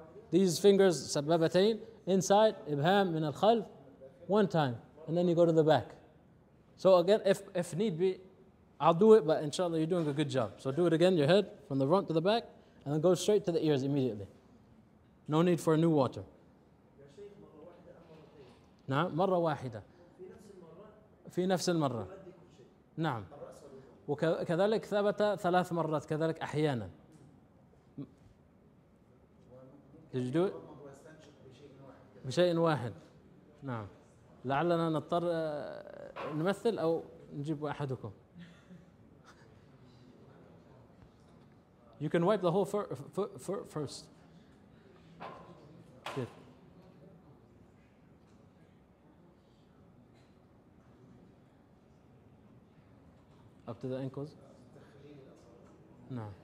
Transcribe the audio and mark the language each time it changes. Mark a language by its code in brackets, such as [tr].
[en] These fingers, sababatayn, inside, ibham min al-khalf, one time, and then you go to the back. So again, if need be, I'll do it, but inshallah, you're doing a good job. So do it again, your head, from the front to the back, and then go straight to the ears immediately. No need for a new water. [ar] نعم مرة واحدة في نفس المرة نعم وكذلك ثبت ثلاث مرات كذلك أحيانا. [en] Did you do it? [ar] بشيء واحد. نعم لعلنا نضطر نمثل أو نجيب أحدكم. [en] You can wipe the whole first. Up to the ankles. No.